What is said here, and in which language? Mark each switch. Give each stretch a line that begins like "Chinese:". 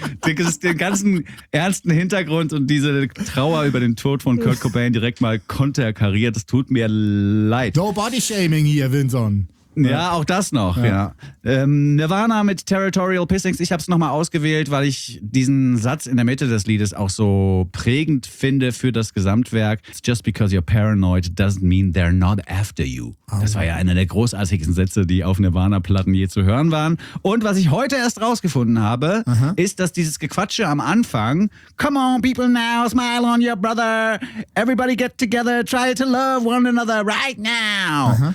German: Den ganzen ernsten Hintergrund und diese Trauer über den Tod von Kurt Cobain direkt mal konterkariert, das tut mir leid.
English: No body shaming
German: hier,
English: Vinson.
German: Ja, auch das noch, ja. Nirvana mit Territorial Pissings, ich habe es nochmal ausgewählt, weil ich diesen Satz in der Mitte des Liedes auch so prägend finde für das Gesamtwerk.
English: It's just because you're paranoid doesn't mean they're not after you.
German: Das war ja einer der großartigsten Sätze, die auf Nirvana-Platten je zu hören waren. Und was ich heute erst rausgefunden habe, ist, dass dieses Gequatsche am Anfang,
English: come on people now, smile on your brother, everybody get together, try to love one another right now.